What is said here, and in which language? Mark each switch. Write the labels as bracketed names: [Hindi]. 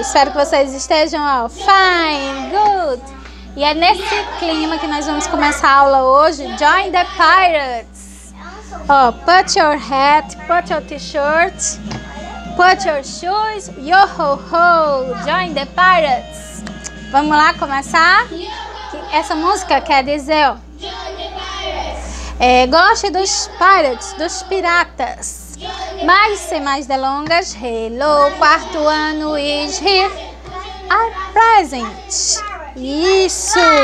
[Portuguese] Espero que vocês estejam [English] all fine, good. [Portuguese] E é nesse clima que nós vamos começar a aula hoje. [English] Join the Pirates. Oh, put your hat, put your t-shirt, put your shoes, yo ho ho, join the Pirates. [Portuguese] Vamos lá começar? Essa música quer dizer, ó. Goste dos Pirates, dos piratas. Mas sem mais delongas, hello, quarto ano [English] is here, are present. [Portuguese] Isso.